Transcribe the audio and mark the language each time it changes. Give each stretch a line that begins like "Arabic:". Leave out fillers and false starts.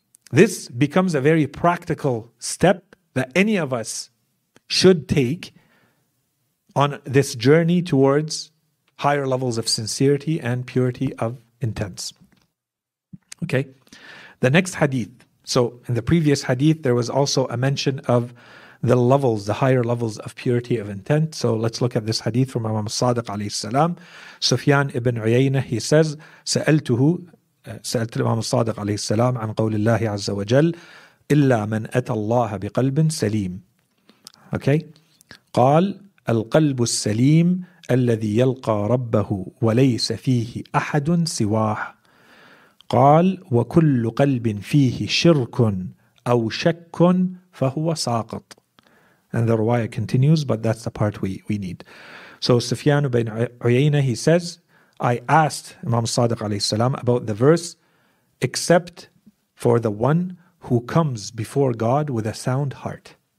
English: This becomes a very practical step that any of us should take on this journey towards higher levels of sincerity and purity of intents. Okay. The next hadith. So in the previous hadith, there was also a mention of the levels, the higher levels of purity of intent. So let's look at this hadith from Imam Sadiq alayhi salam.
Arabic: Sufyan ibn Uyayna,
English: he says,
Arabic: سألت الإمام الصادق عليه السلام عن قول الله عز وجل إلا من أتى الله بقلب سليم.
English: Okay.
Arabic: قال القلب السليم الذي يلقى ربه وليس فيه أحد سواه. قال وكل قلب فيه شرك أو شك فهو ساقط.
English: And the riwayah continues, but that's the part we need. So Sufyan ibn Uyayna, he says, I asked Imam Sadiq alayhi salam about the verse, except for the one who comes before God with a sound heart.